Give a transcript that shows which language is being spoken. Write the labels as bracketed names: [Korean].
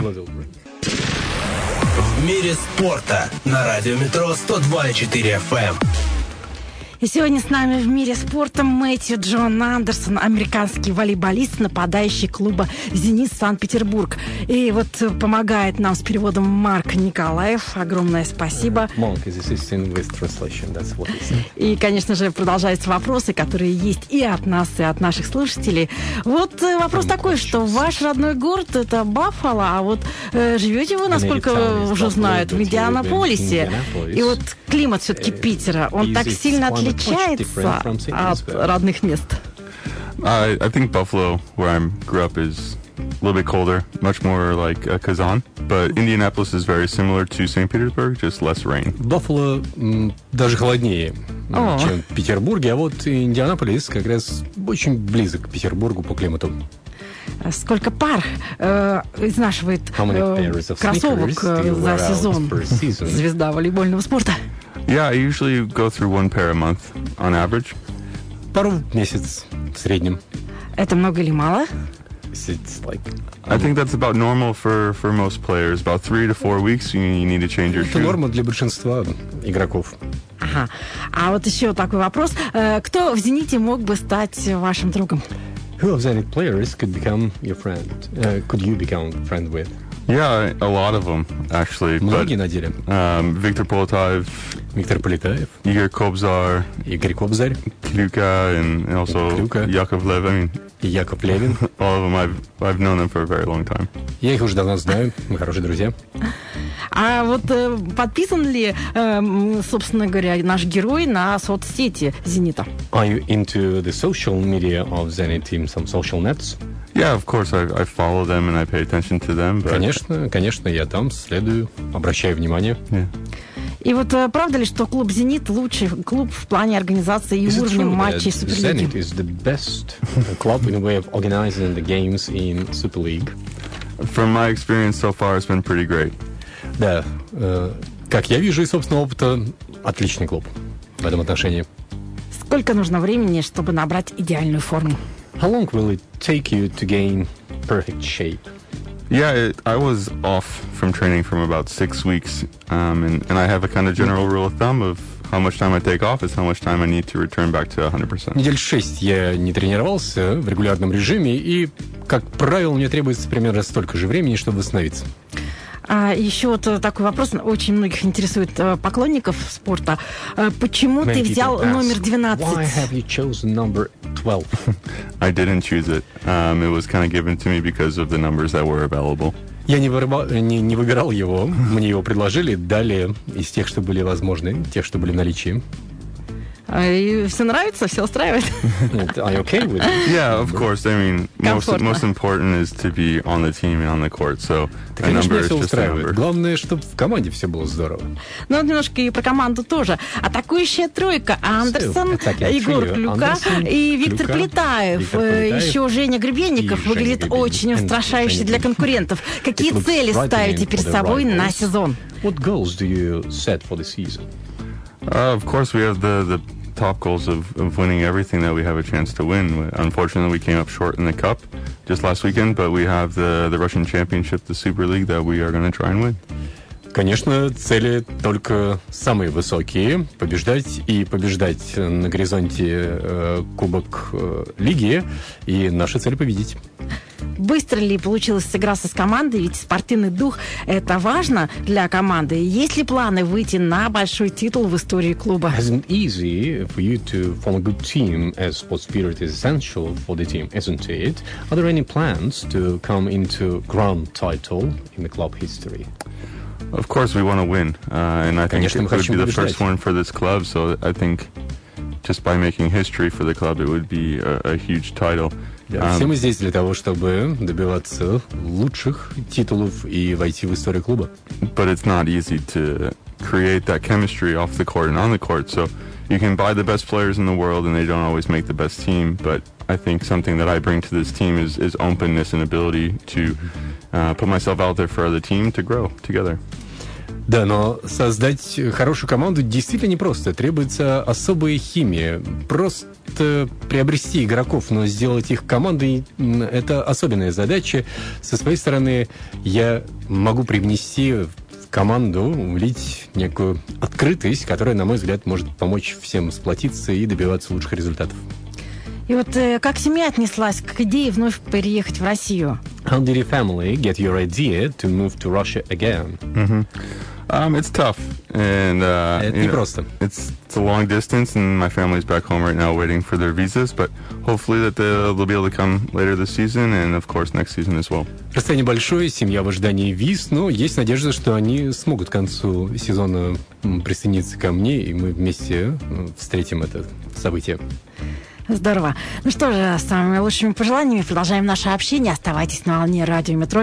[Russian] В мире спорта на радио Метро 102.4 FM. И сегодня с нами в мире спорта Мэтью Джон Андерсон, американский волейболист, нападающий клуба «Зенит» Санкт-Петербург. И вот помогает нам с переводом Марк Николаев. Огромное спасибо. [English] Monk is assisting with translation, that's what he said. [Russian] И, конечно же, продолжаются вопросы, которые есть и от нас, и от наших слушателей. Вот вопрос From такой, что ваш родной город – это Баффало, а вот живете вы, насколько уже знают, в Индианаполисе. И вот климат все-таки Питера, он так сильно отличается от родных мест. [English] I think Buffalo, where I grew up, is a little bit colder, much more like Kazan. But Indianapolis is very similar to St. Petersburg, just less rain. [Russian] Buffalo даже холоднее, чем в Петербурге, а вот Индианаполис как раз очень близок к Петербургу по климату. Сколько пар изнашивает кроссовок за сезон звезда волейбольного спорта? [English] Yeah, I usually go through one pair a month on average. [Russian] Пару в месяц в среднем. Это много или мало? [English] It's like I think that's about normal for most players. About 3 to 4 weeks you need to change your shoe. [Russian] Это норма для большинства игроков. Ага. А вот еще такой вопрос. Кто в «Зените» мог бы стать вашим другом? [English] Who of Zenit players could become your friend? Could you become friend with? Yeah, a lot of them, actually. [Russian] Многие на деле. Виктор Полетаев. Виктор Полетаев. Игорь Кобзар. Игорь Кобзар. [English] Клюка, and also Клюка. [Russian] Яков Левин. Яков Левин. [English] All of them, I've known them for a very long time. [Russian] Я их уже давно знаю, мы хорошие друзья. А вот подписан ли, собственно говоря, наш герой на соцсети Зенита? [English] Are you into the social media of Zenit Team, some social nets? Yeah, of course, I follow them and I pay attention to them. But... [Russian] Конечно, конечно, я там следую, обращаю внимание. [English] Yeah. [Russian] И вот правда ли, что клуб «Зенит» лучший клуб в плане организации и уровня матчей Суперлиги? [English] Zenit is the best club in a way of organizing the games in Super League. From my experience so far, it's been pretty great. [Russian] Да, как я вижу из собственного опыта, отличный клуб в этом отношении. Сколько нужно времени, чтобы набрать идеальную форму? [English] How long will it take you to gain perfect shape? Yeah, I was off from training for about 6 weeks, and I have a kind of general rule of thumb of how much time I take off is how much time I need to return back to 100%. [Russian] Недель 6 я не тренировался в регулярном режиме, и, как правило, мне требуется примерно столько же времени, чтобы восстановиться. А еще вот такой вопрос, очень многих интересует поклонников спорта. Почему ты взял номер 12? [English] Why have you chosen number 12? I didn't choose it. It was kind of given to me because of the numbers that were available. [Russian] Я не выбирал его, мне его предложили, дали из тех, что были возможны, тех, что были в наличии. И все нравится, все устраивает. [English] Are you okay with it? Yeah, of course. I mean, most important is to be on the team and on the court. So, [Russian] да, конечно, number все is устраивает. [English] Just a number. [Russian] Главное, чтобы в команде все было здорово. Ну, немножко и про команду тоже. Атакующая тройка. Андерсон, Егор Клюка и Виктор Полетаев. Еще Женя Гребенников выглядит очень устрашающе для конкурентов. Какие цели ставите перед собой на сезон? [English] What goals do you set for the season? Of course, we have the top goals of winning everything that we have a chance to win. Unfortunately, we came up short in the cup just last weekend, but we have the Russian Championship, the Super League, that we are going to try and win. [Russian] Конечно, цели только самые высокие – побеждать и побеждать на горизонте Кубок Лиги, и наша цель – победить. Быстро ли получилось сыграться с командой? Ведь спортивный дух – это важно для команды. Есть ли планы выйти на большой титул в истории клуба? [English] Isn't easy for you to form a good team, as sports spirit is essential for the team, isn't it? Are there any plans to come into grand title in the club history? Of course, we want to win, and I think [Russian] конечно, [English] it would be [Russian] побеждать. [English] The first one for this club. So I think just by making history for the club, it would be a huge title. Все мы здесь для того, чтобы добиваться лучших титулов и войти в историю клуба. But it's not easy to create that chemistry off the court and on the court. So you can buy the best players in the world, and they don't always make the best team. But I think something that I bring to this team is openness and ability to put myself out there for the team to grow together. [Russian] Да, но создать хорошую команду действительно непросто. Требуется особая химия. Просто приобрести игроков, но сделать их командой – это особенная задача. Со своей стороны, я могу привнести в команду, влить некую открытость, которая, на мой взгляд, может помочь всем сплотиться и добиваться лучших результатов. И вот как семья отнеслась к идее вновь переехать в Россию? [English] How did your family get your idea to move to Russia again? Mm-hmm. It's tough. And, [Russian] это непросто. [English] It's a long distance, and my family's back home right now waiting for their visas, but hopefully that they'll be able to come later this season, and of course next season as well. [Russian] Расстояние большое, семья в ожидании виз, но есть надежда, что они смогут к концу сезона присоединиться ко мне, и мы вместе встретим это событие. Здорово. Ну что же, с самыми лучшими пожеланиями продолжаем наше общение. Оставайтесь на волне Радио Метро.